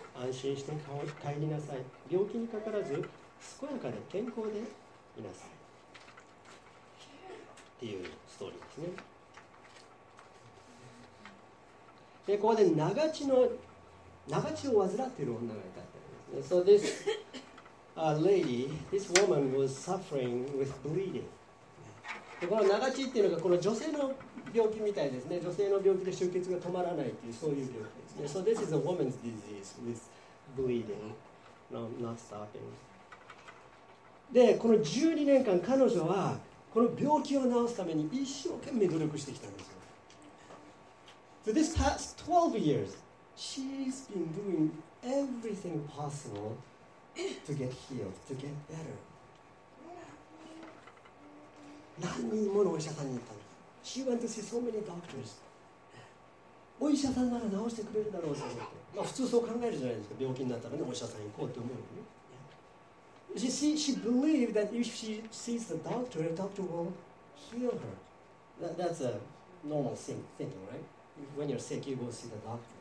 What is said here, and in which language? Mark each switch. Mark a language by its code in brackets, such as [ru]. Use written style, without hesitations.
[ja] 安心して帰りなさい。病気にかからず健やかで健康でいなさいっていうストーリーですね。でここで長血を患っている女がいたって。 [en] So this lady, this woman was suffering with bleeding. [ja] でこの長血っていうのがこの女性の病気みたいですね。女性の病気で出血が止まらないっていうそういう病気ですね。 [en] So this is a woman's disease with bleeding, not stopping. [ja] でこの12年間彼女はこの病気を治すために一生懸命努力してきたんですよ。 [en] So this past 12 years, she's been doing everything possible to get healed, to get better. [ja] 何人ものお医者さんに行ったの。 [en] She went to see so many doctors. [ja] お医者さんなら治してくれるだろうと思って。まあ普通そう考えるじゃないですか。病気になったらね、お医者さん行こうって思うよね。 [en] She believed that if she sees the doctor will heal her. That's a normal thinking, right? When you're sick, you go see the doctor.